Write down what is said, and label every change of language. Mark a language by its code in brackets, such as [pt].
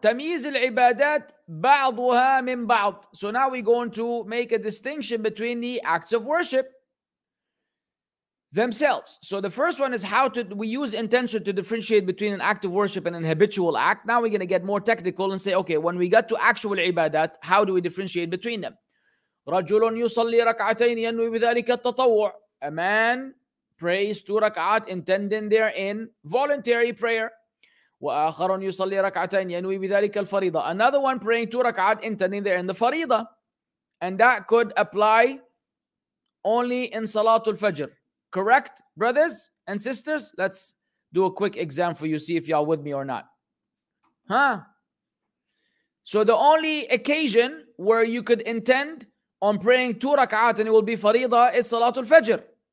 [ar] تمييز العبادات بعضها من بعض. [en] So now we're going to make a distinction between the acts of worship themselves. So the first one is how to we use intention to differentiate between an act of worship and an habitual act. Now we're going to get more technical and say, okay, when we get to actual ibadat, how do we differentiate between them? [ar] رجل يصلي ركعتين ينوي بذلك التطوع. [en] A man prays 2 rak'at, intending therein voluntary prayer. [ar] وآخر يصلي ركعتين ينوي بذلك الفريضة. [en] Another one praying 2 rak'at, intending therein the فريضة. And that could apply only in Salatul Fajr. Correct, brothers and sisters? Let's do a quick exam for you, see if y'all with me or not. Huh? So the only occasion where you could intend on praying 2 rak'at and it will be farida is Salatul Fajr.